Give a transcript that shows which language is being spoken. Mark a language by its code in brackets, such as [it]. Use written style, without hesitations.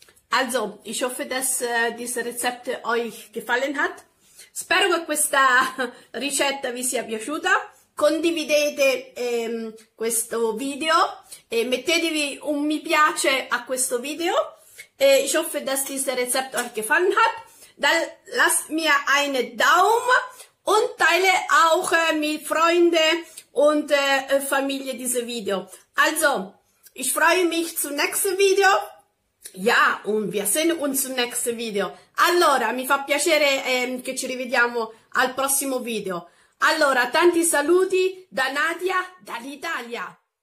[de] Also, ich hoffe, dass dieses Rezept euch gefallen hat. [it] Spero che questa ricetta vi sia piaciuta. Condividete questo video e mettetevi un mi piace a questo video. [de] Ich hoffe, dass dieses Rezept euch gefallen hat. Dann lasst mir einen Daumen und teile auch mit Freunden und Familie diese Video. Also, ich freue mich zum nächsten Video. Ja, und wir sehen uns zum nächsten Video. [it] Allora, mi fa piacere che ci rivediamo al prossimo video. Allora, tanti saluti da Nadia dall'Italia.